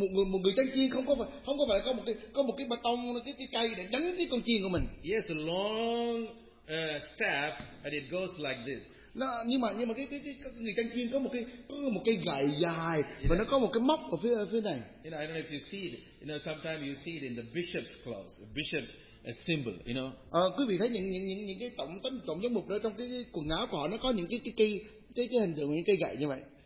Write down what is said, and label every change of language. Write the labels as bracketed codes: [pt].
[vi] Một người chăn chiên không có phải có một cái bà tông cái cây để đánh cái con chiên của mình. [en] Yes, a long staff and it goes like this. [vi] Nó nhưng mà cái người chăn chiên có một cây gậy dài và nó có một cái móc ở phía này. [en] You know, I don't know if you see it. You know, sometimes you see it in the bishop's clothes. Bishop's a symbol, you know. [vi] Quý vị thấy những cái tổng giám mục đó trong cái quần áo của họ nó có những cái hình tượng những cây gậy như vậy.